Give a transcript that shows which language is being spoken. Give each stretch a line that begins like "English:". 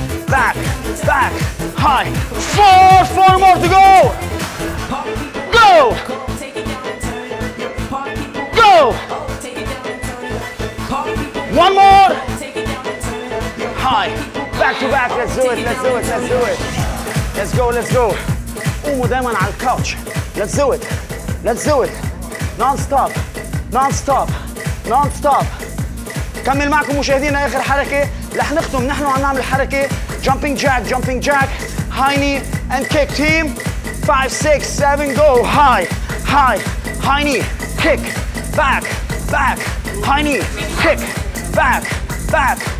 English: Back, back. High. 4 more to go. Go. Go. One more. High. Back to back. Let's do it. Let's do it. Let's do it. Let's go, let's go.
Arabic: قوموا دايما على الكاوتش.
English: Let's do it. Let's do it. Non-stop. Non-stop. Non-stop.
Arabic: كمل معكم مشاهدينا اخر حركة. رح نختم نحن عم نعمل حركة.
English: Jumping jack, jumping jack. High knee and kick team. 5, 6, 7, go. High, high, high knee. Kick, back, back. High knee, kick, back, back.